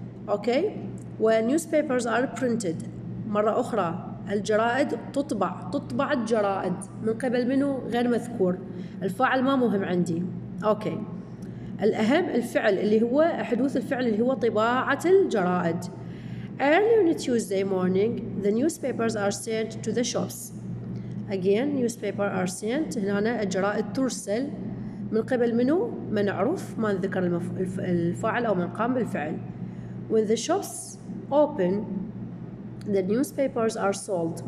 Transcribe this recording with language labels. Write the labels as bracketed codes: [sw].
[en] Okay? والنيوزبيبرز are printed. [ar] مرة أخرى. الجرائد تطبع. تطبع الجرائد. من قبل منه غير مذكور. الفاعل ما مهم عندي. أوكي. الأهم الفعل اللي هو حدوث الفعل اللي هو طباعة الجرائد. [en] Early on Tuesday morning, the newspapers are sent to the shops. Again, newspapers are sent. [ar] هنا أنا الجرائد ترسل من قبل منه ما نعرف، ما نذكر الفاعل أو من قام بالفعل. [en] When the shops open, the newspapers are sold.